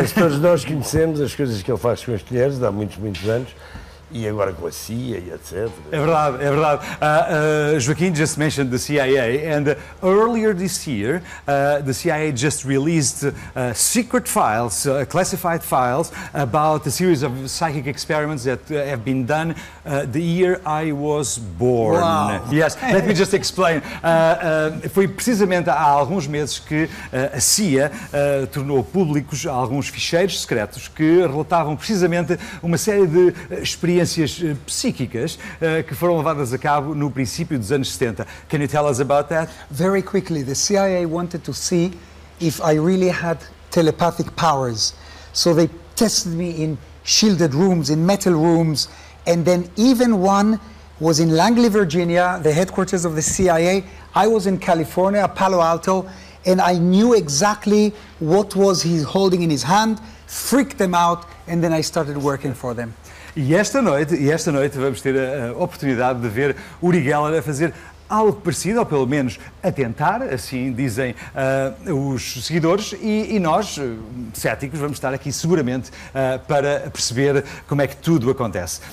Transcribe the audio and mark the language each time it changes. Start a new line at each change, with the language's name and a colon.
Portuguese: Mas todos nós conhecemos as coisas que ele faz com as colheres há muitos, muitos anos. E agora com a CIA e etc. É verdade, é verdade.
English: Joaquim just mentioned the CIA, and earlier this year, the CIA just released secret files, classified files, about a series of psychic experiments that have been done the year I was born. Wow. Yes, let me just explain.
Portuguese: Foi precisamente há alguns meses que a CIA tornou públicos alguns ficheiros secretos que relatavam precisamente uma série de experiências psíquicas que foram levadas a cabo no princípio dos anos 70.
English: Can you tell us about that? Very quickly, the CIA wanted to see if I really had telepathic powers. So they tested me in shielded rooms, in metal rooms, and then even one was in Langley, Virginia, the headquarters of the CIA. I was in California, Palo Alto, and I knew exactly what was he holding in his hand, freaked them out, and then I started working for them.
Portuguese: E esta noite vamos ter a oportunidade de ver Uri Geller a fazer algo parecido, ou pelo menos a tentar, assim dizem os seguidores, e nós, céticos, vamos estar aqui seguramente para perceber como é que tudo acontece.